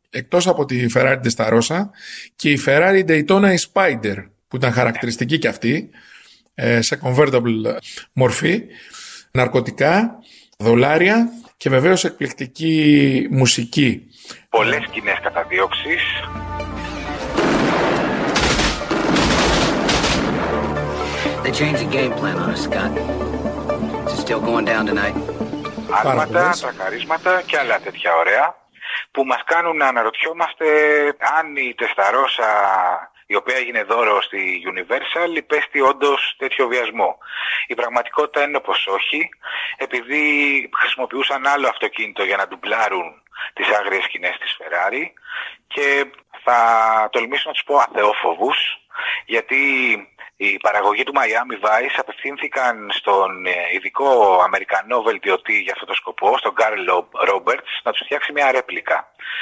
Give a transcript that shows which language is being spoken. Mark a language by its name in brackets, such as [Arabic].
[Greek] Εκτός από τη Ferrari Testarossa και η Ferrari Daytona Spider που ήταν χαρακτηριστική και αυτή σε convertible μορφή, ναρκωτικά, δολάρια και βεβαίως εκπληκτική μουσική. Πολλές σκηνές καταδίωξης. [English] They changed the game plan on us, Scott. It's still going down tonight. [Greek] Άρματα, τρακαρίσματα και άλλα τέτοια ωραία που μας κάνουν να αναρωτιόμαστε αν η Testarossa, η οποία έγινε δώρο στη Universal, υπέστη όντως τέτοιο βιασμό. Η πραγματικότητα είναι πως όχι, επειδή χρησιμοποιούσαν άλλο αυτοκίνητο για να ντουμπλάρουν τις άγριες σκηνές της Ferrari και θα τολμήσω να τους πω αθεόφοβους, γιατί η παραγωγή του Miami Vice απευθύνθηκαν στον ειδικό Αμερικανό βελτιωτή για αυτό το σκοπό, στον Carl Roberts, να τους φτιάξει μια ρέπλικα.